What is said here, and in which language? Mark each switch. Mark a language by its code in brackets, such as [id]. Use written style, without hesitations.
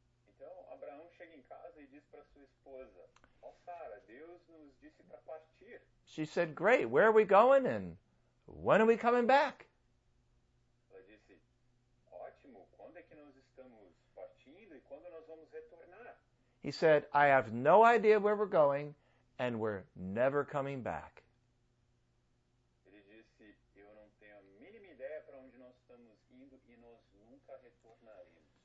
[pt] Então Abraão chega em casa e diz para sua esposa, ó, Sarah, Deus nos disse para partir. [en] She said, great, where are we going and when are we coming back? [pt] Ela disse, ótimo, quando é que nós estamos partindo e quando nós vamos retornar? [en] He said, I have no idea where we're going, and we're never coming back. [pt] Ele disse, eu não tenho a mínima ideia para onde nós estamos indo e nós nunca retornaremos.